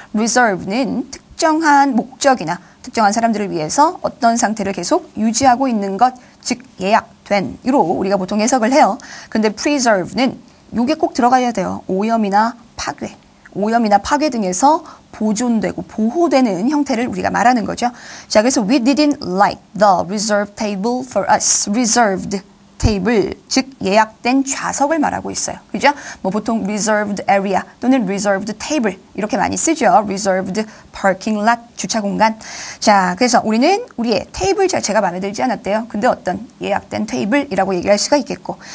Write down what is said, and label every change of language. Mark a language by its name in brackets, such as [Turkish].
[Korean] reserve는 특정한 목적이나 특정한 사람들을 위해서 어떤 상태를 계속 유지하고 있는 것, 즉 예약된으로 우리가 보통 해석을 해요. 근데 preserve는 요게 꼭 들어가야 돼요. 오염이나 파괴. 오염이나 파괴 등에서 보존되고 보호되는 형태를 우리가 말하는 거죠. 자, 그래서 [English] we didn't like the reserved table for us. reserved table. [Korean] 즉, 예약된 좌석을 말하고 있어요. 그죠? 뭐 보통 [English] reserved area [Korean] 또는 [English] reserved table. [Korean] 이렇게 많이 쓰죠. [English] reserved parking lot. [Korean] 주차 공간. 자, 그래서 우리는 우리의 테이블 자체가 마음에 들지 않았대요. 근데 어떤 예약된 테이블이라고 얘기할 수가 있겠고.